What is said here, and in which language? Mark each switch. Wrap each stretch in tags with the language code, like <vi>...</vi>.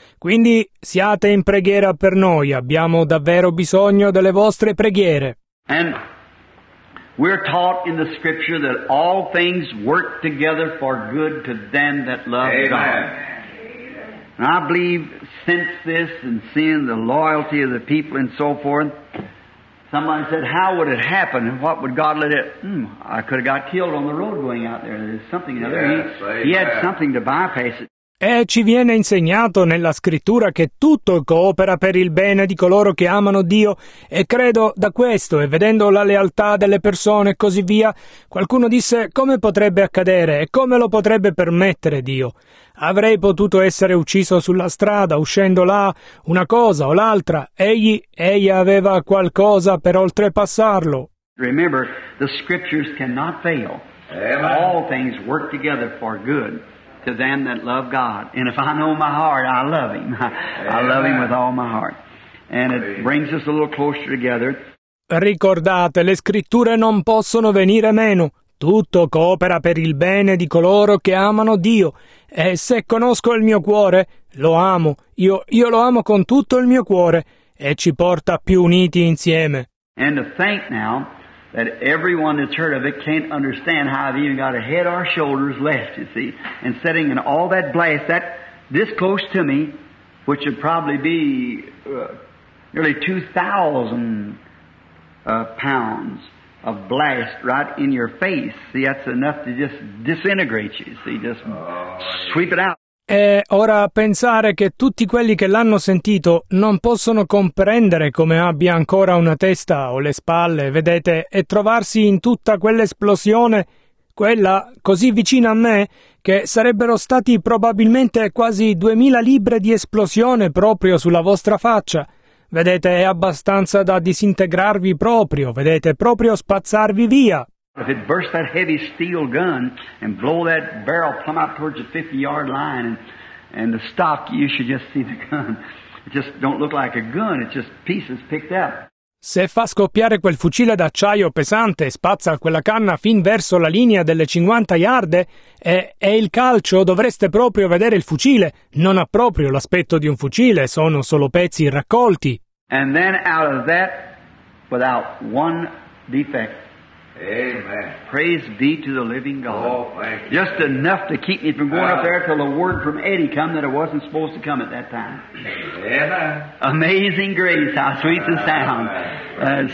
<it>Quindi siate in preghiera per noi, abbiamo davvero bisogno delle vostre preghiere.</it> <en>We're taught in the scripture that all things work together for good to them that love Amen. God. And I believe since this and seeing the loyalty of the people and so forth, somebody said, how would it happen and what would God let it? I could have got killed on the road going out there. There's something another. Yes, he had something to bypass it.</en> <it>E ci viene insegnato nella scrittura che tutto coopera per il bene di coloro che amano Dio, e credo da questo, e vedendo la lealtà delle persone e così via, qualcuno disse, come potrebbe accadere e come lo potrebbe permettere Dio? Avrei potuto essere ucciso sulla strada, uscendo là, una cosa o l'altra, egli aveva qualcosa per oltrepassarlo.</it> <en>Remember, the scriptures cannot fail. Amen. All things work together for good to them that love God. And if I know my heart, I love Him. I love Him with all my heart. And it brings us a little closer together.</en> <it>Ricordate, le scritture non possono venire meno. Tutto coopera per il bene di coloro che amano Dio. E se conosco il mio cuore, lo amo. Io lo amo con tutto il mio cuore. E ci porta più uniti insieme.</it> <en>And to think now that everyone that's heard of it can't understand how I've even got a head or shoulders left, you see, and sitting in all that blast, that this close to me, which would probably be nearly 2,000 pounds of blast right in your face. See, that's enough to just disintegrate you, see, just sweep it out.</en> <it>E ora pensare che tutti quelli che l'hanno sentito non possono comprendere come abbia ancora una testa o le spalle, vedete, e trovarsi in tutta quell'esplosione, quella così vicina a me, che sarebbero stati probabilmente quasi 2000 libbre di esplosione proprio sulla vostra faccia. Vedete, è abbastanza da disintegrarvi proprio, vedete, proprio spazzarvi via.</it> <en>If it burst that heavy steel gun and blow that barrel plumb out towards the 50-yard line and the stock, you should just see the gun. It just don't look like a gun. It's just pieces picked up.</en> <it>Se fa scoppiare quel fucile d'acciaio pesante e spazza quella canna fin verso la linea delle 50 yarde, è il calcio, dovreste proprio vedere il fucile. Non ha proprio l'aspetto di un fucile, sono solo pezzi raccolti.</it> <en>And then out of that, without one defect. Amen. Praise be to the living God. Oh, thank you. Just enough to keep me from going up there till the word from Eddie come that I wasn't supposed to come at that time. Amen. Amazing grace, how sweet the sound.</en>